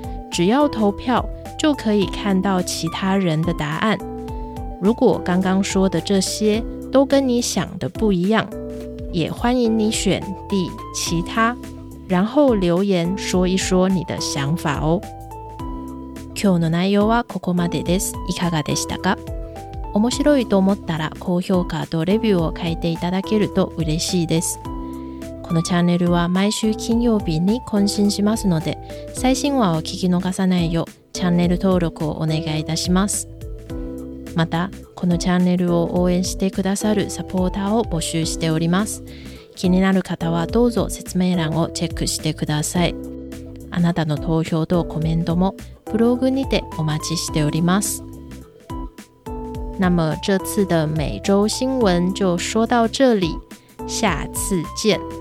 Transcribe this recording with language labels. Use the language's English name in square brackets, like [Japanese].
[Chinese] 只要投票就可以看到其他人的答案。如果刚刚说的这些都跟你想的不一样，也欢迎你选 D 其他，然后留言说一说你的想法哦。 [Japanese] 今日の内容はここまでです。いかがでしたか？面白いと思ったら高評価とレビューを書いていただけると嬉しいです。このチャンネルは毎週金曜日に更新しますので、最新話を聞き逃さないようチャンネル登録をお願いいたします。また、このチャンネルを応援してくださるサポーターを募集しております。気になる方はどうぞ説明欄をチェックしてください。あなたの投票とコメントもブログにてお待ちしております。 [Chinese] 那么这次的每周新闻就说到这里，下次见。